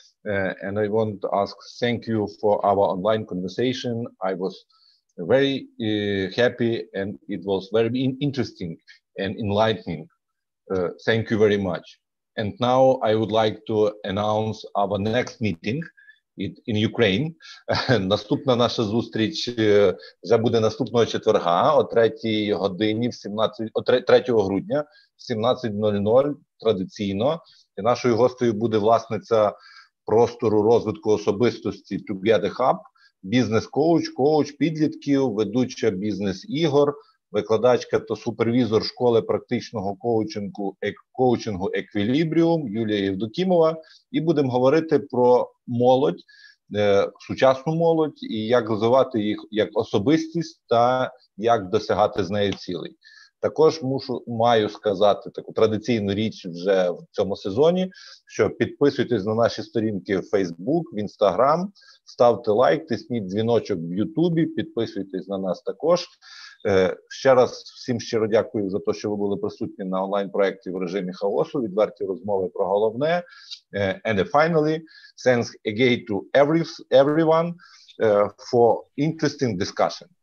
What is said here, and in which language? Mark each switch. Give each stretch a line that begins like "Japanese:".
English: And I want to ask, thank you for our online conversation. I was very happy, and it was very interesting and enlightening. Thank you very much. And now I would like to announce our next meeting in Ukraine.
Ukrainian: Наступна наша зустріч вже буде наступного четверга о 3 годині в 17 о 3 грудня в 17:00 традиційно. І нашою гостею буде власниця простору розвитку особистості Together Hub, бізнес-коуч, коуч підлітків, ведуча бізнес-ігор, викладачка та супервізор школи практичного коучингу «Еквілібріум» Юлія Євдокімова. І будемо говорити про молодь, сучасну молодь, і як розвивати їх як особистість та як досягати з нею цілей. Також маю сказати таку традиційну річ вже в цьому сезоні, що підписуйтесь на наші сторінки в Facebook, в Instagram, ставте лайк, тисніть дзвіночок в YouTube, підписуйтесь на нас також. Ще раз всім щиро дякую за те, що ви були присутні на онлайн-проєкті в режимі хаосу, відверті розмови про головне.
English: And finally, thanks again to everyone for interesting discussion.